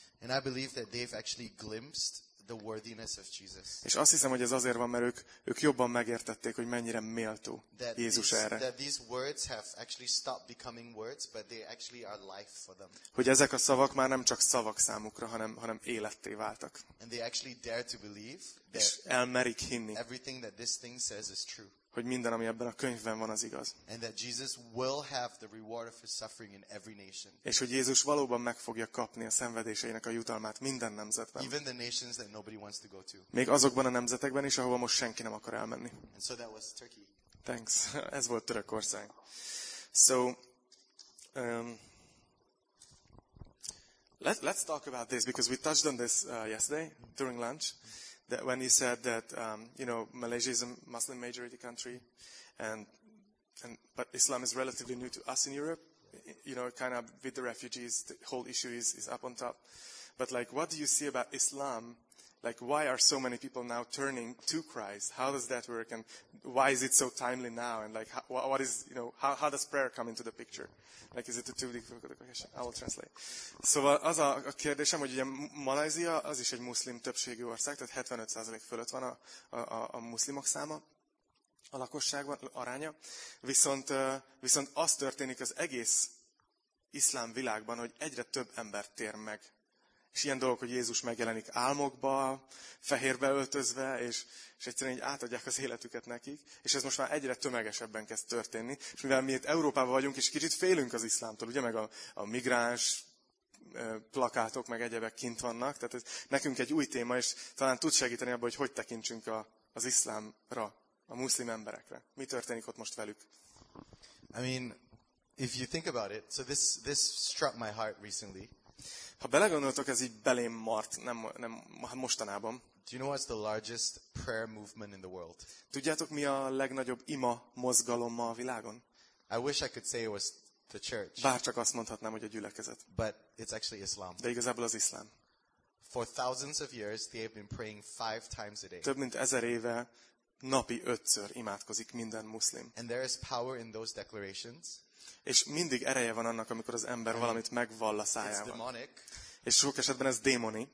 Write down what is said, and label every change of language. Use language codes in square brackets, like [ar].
[en] And I believe that they've actually glimpsed the worthiness of Jesus. [hu] És azt hiszem, hogy ez azért van, mert ők jobban megértették, hogy mennyire méltó Jézus erre. [en] That these words have actually stopped becoming words, but they actually are life for them. [hu] Hogy ezek a szavak már nem csak szavak számukra, hanem életté váltak. [en] And they actually dare to believe that, [hu] és elmerik hinni, [en] everything that this thing says is true. [hu] Hogy minden, ami ebben a könyvben van, az igaz. [en] And that Jesus will have the reward of his suffering in every nation. [hu] És hogy Jézus valóban meg fogja kapni a szenvedéseinek a jutalmát minden nemzetben. [en] Even the nations that nobody wants to go to. [hu] Még azokban a nemzetekben is, ahova most senki nem akar elmenni. [en] And so that was Turkey. [hu] Thanks. Ez volt Törökország. [en] So, let's talk about this, because we touched on this yesterday, during lunch. That when you said that you know, Malaysia is a Muslim majority country, and but Islam is relatively new to us in Europe, you know, kind of with the refugees, the whole issue is up on top. But like, what do you see about Islam? Like, why are so many people now turning to Christ? How does that work, and why is it so timely now? And like, what is, you know, how does prayer come into the picture? Like, is it a too difficult question? I will translate. [hu] Szóval az a kérdésem, hogy ugye Malajzia az is egy muszlim többségű ország, tehát 75% fölött van a muszlimok száma a lakosságban, aránya. Viszont az történik az egész iszlám világban, hogy egyre több ember tér meg. És ilyen dolog, hogy Jézus megjelenik álmokba, fehérbe öltözve, és egyszerűen így átadják az életüket nekik, és ez most már egyre tömegesebben kezd történni. És mivel mi itt Európában vagyunk, és kicsit félünk az iszlámtól, ugye, meg a migráns plakátok, meg egyebek kint vannak, tehát ez nekünk egy új téma, és talán tud segíteni abban, hogy tekintsünk az iszlámra, a muszlim emberekre. Mi történik ott most velük? [en] I mean, if you think about it, so this struck my heart recently. [hu] Ha belegondoltok, ez így belém mart, nem mostanában. [en] Do you know what's the largest prayer movement in the world? [hu] Tudjátok, mi a legnagyobb ima mozgalom ma a világon? [en] I wish I could say it was the church. [hu] Bárcsak azt mondhatnám, hogy a gyülekezet. [en] But it's actually Islam. [hu] De igazából az iszlám. [en] For thousands of years they have been praying 5 times a day. [hu] Több mint 1000 éve napi 5-ször imádkozik minden muszlim. [en] And there is power in those declarations. [hu] És mindig ereje van annak, amikor az ember valamit megvall a szájával. [en] It's demonic. [hu] És sok esetben ez démoni.